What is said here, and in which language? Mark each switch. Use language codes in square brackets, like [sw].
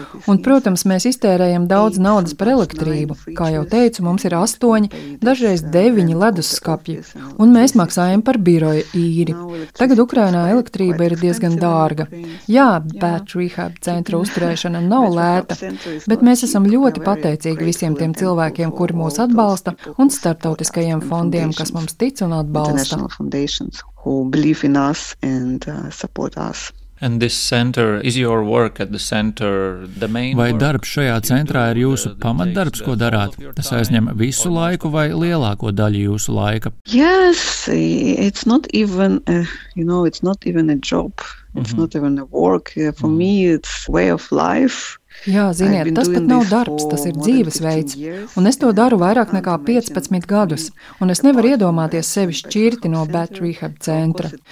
[lv] Un, protams, mēs iztērējam daudz naudas par elektrību. Kā jau teicu, mums ir 8, dažreiz 9 ledusskapji, un mēs maksājam par biroja īri. Tagad Ukrainā elektrība ir diezgan dārga. Jā, Bat Rehab centra uzturēšana nav lēta, bet mēs esam ļoti pateicīgi visiem tiem cilvēkiem, kuri mūs atbalsta, un starptautiskajiem fondiem, kas mums tic un atbalsta. [en] National foundations who believe in us and support us. And this center is your work at the center, the main. [lv] Vai darbs šajā centrā ir jūsu pamatdarbs, ko darāt? Tas aizņem visu laiku vai lielāko daļu jūsu laika? [en] Yes, it's not even a job. It's not even a work. For me, it's way of life. [lv] Jā, ziniet, tas pat nav darbs, tas ir dzīvesveids, un es to daru vairāk nekā 15 gadus, un es nevaru iedomāties sevi šķirti no Bat Rehab centra.